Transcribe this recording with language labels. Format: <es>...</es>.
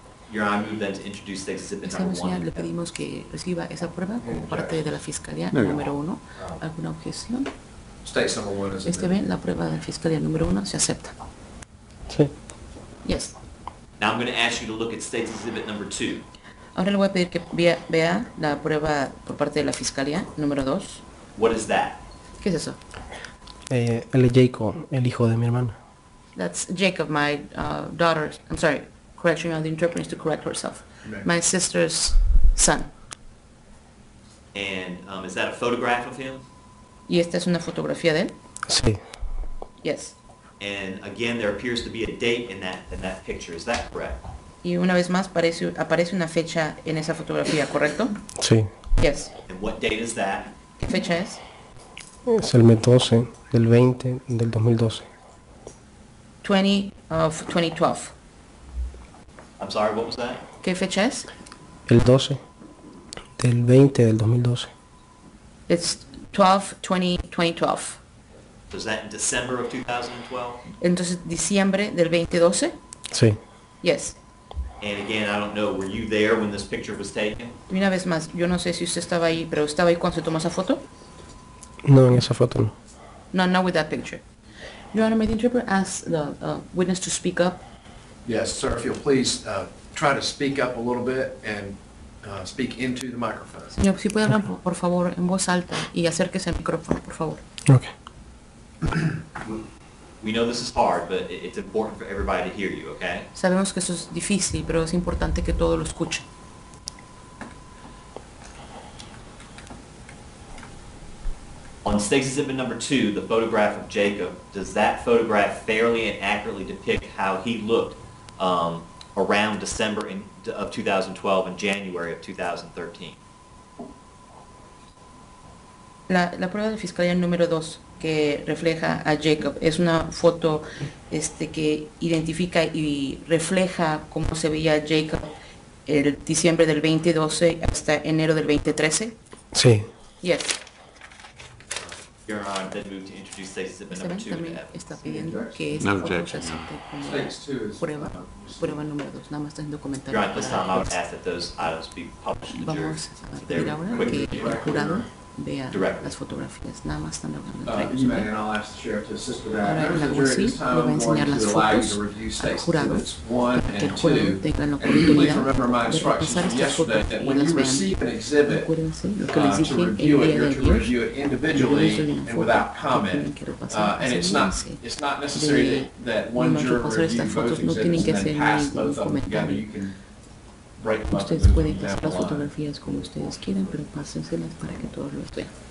<en>Your Honor, I move then to introduce the exhibit number 1.</en> <es>Le pedimos que reciba esa prueba como parte de la fiscalía número 1. ¿Alguna objeción?</es> <en>State number 1 is</en> <es>bien, la prueba de la fiscalía número 1 se acepta. Sí.</es> <en>Yes. Now I'm going to ask you to look at state exhibit number 2.</en> <es>Ahora le voy a pedir que vea la prueba por parte de la fiscalía, número 2.</es> <en>What is that?</en> <es>¿Qué es eso? Él es Jacob, el hijo de mi hermana.</es> <en>That's Jacob, my daughter. I'm sorry, correction on the interpreter is to correct herself. Right. My sister's son. And is that a photograph of him?</en> <es>¿Y esta es una fotografía de él? Sí.</es> <en>Yes. And again, there appears to be a date in that picture. Is that correct?</en> <es>Y una vez más aparece una fecha en esa fotografía, ¿correcto? Sí.</es> <en>Yes. And what date is that?</en> <es>¿Qué fecha es? Es el 12 del 20 del 2012.</es> <en>20 of 2012. I'm sorry, what was that?</en> <es>¿Qué fecha es? El 12 del 20 del 2012.</es> <en>It's 12/20/2012. Was that in December of 2012?</en> <es>Entonces, diciembre del 2012? Sí.</es> <en>Yes. And again, I don't know, were you there when this picture was taken?</en> <es>Una vez más, yo no sé si usted estaba ahí, pero ¿estaba ahí cuando se tomó esa foto? No, en esa foto no.</es> <en>No, not with that picture. Your Honor, may the interpreter ask the witness to speak up? Yes, sir. If you'll please try to speak up a little bit and speak into the microphone.</en> <es>Señor, si puede hablar, por favor, en voz alta y acérquese al micrófono, por favor.</es> <en>Okay. We know this is hard, but it's important for everybody to hear you, okay?</en> <es>Sabemos que eso es difícil, pero es importante que todo lo escuche.</es> <en>On State's Exhibit number 2, the photograph of Jacob, does that photograph fairly and accurately depict how he looked around December of 2012 and January of 2013?</en> <es>La prueba de Fiscalía número 2 que refleja a Jacob es una foto que identifica y refleja cómo se veía Jacob el diciembre del 2012 hasta enero del 2013? Sí.</es> <en>Yes. Your Honor, I'm then moved to introduce State Exhibit number 2 to evidence. No objection. Your Honor, at this time I would ask that those items be published to the jury.</en> <es>Vamos a ver que el jurado vea las fotografías. Nada más están logrando.</es> <en>And I'll ask the sheriff to assist with that. Ahora, at this time, I'm going to allow you to review State Exhibits 1 and 2. And you please remember my instructions from yesterday that when you receive an exhibit to review it, you're to review it individually and without comment. And it's not necessary that one juror review both exhibits and then pass both of them together. You can</en> <es>ustedes pueden pasar las fotografías como ustedes quieran, pero pásenselas para que todos los vean.</es>